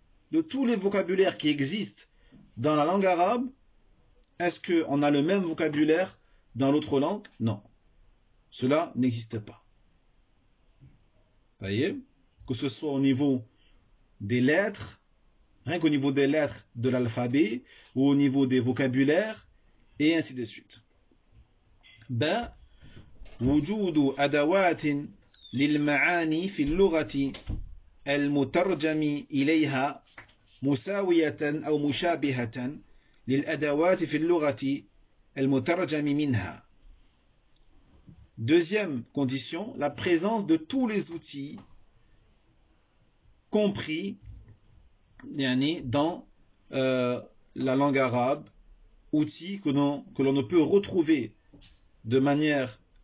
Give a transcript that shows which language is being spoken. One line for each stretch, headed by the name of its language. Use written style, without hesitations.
French: De tous les vocabulaires qui existent dans la langue arabe, est-ce qu'on a le même vocabulaire dans l'autre langue? Non. Cela n'existe pas. Vous voyez? Que ce soit au niveau des lettres, rien qu'au niveau des lettres de l'alphabet, ou au niveau des vocabulaires, et ainsi de suite.
Arabic: Ben, wujudu adawatin للمعاني في اللغة المترجم إليها مساوية أو مشابهة للأدوات في اللغة المترجم منها.
French: Deuxième condition, la présence de tous les outils compris dans la langue arabe, outils que l'on ne peut retrouver de manière